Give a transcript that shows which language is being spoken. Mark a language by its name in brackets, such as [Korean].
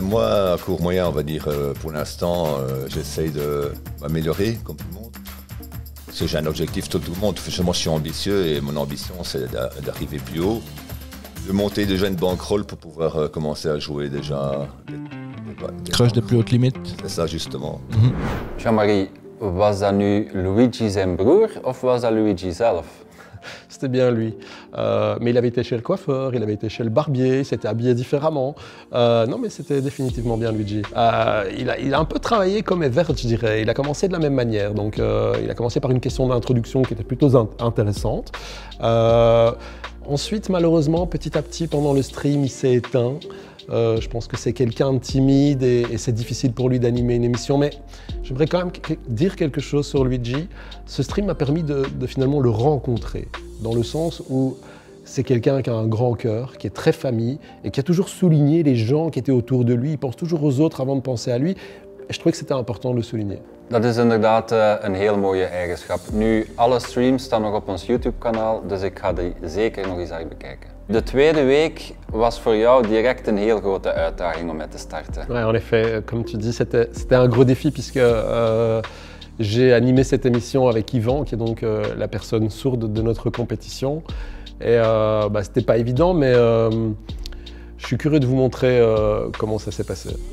[French] Moi, à court, moyen, on va dire pour l'instant, j'essaye de m'améliorer comme tout le monde. Parce que j'ai un objectif tout le monde. Justement, je suis ambitieux et mon ambition, c'est d'arriver plus haut, de monter déjà une bankroll pour pouvoir commencer à jouer déjà. Crush des plus hautes limites. C'est ça, justement. Mm-hmm. [Dutch] Jean-Marie, was dat nu Luigi zijn broer of was dat Luigi zelf? [French] C'était bien lui. Mais il avait été chez le coiffeur, il avait été chez le barbier, il s'était habillé différemment. Non, mais c'était définitivement bien Luigi. Il a un peu travaillé comme Evert, je dirais. Il a commencé de la même manière. Donc, il a commencé par une question d'introduction qui était plutôt intéressante. Ensuite, malheureusement, petit à petit, pendant le stream, il s'est éteint. Je pense que c'est quelqu'un de timide et c'est difficile pour lui d'animer une émission. Mais j'aimerais quand même dire quelque chose sur Luigi. Ce stream m'a permis de finalement le rencontrer, dans le sens où c'est quelqu'un qui a un grand cœur, qui est très famille et qui a toujours souligné les gens qui étaient autour de lui. Il pense toujours aux autres avant de penser à lui. Et je trouvais que c'était important de le souligner. [Dutch] Dat is inderdaad een heel mooie eigenschap. Nu, alle streams staan nog op ons YouTube-kanaal, dus ik ga die zeker nog eens even bekijken. De tweede week was voor jou direct een heel grote uitdaging om mee te starten. [French] Ouais, en effet, comme tu dis, c'était un gros défi, puisque j'ai animé cette émission avec Yvan, qui est donc la personne sourde de notre compétition. Et c'était pas évident, mais je suis curieux de vous montrer comment ça s'est passé.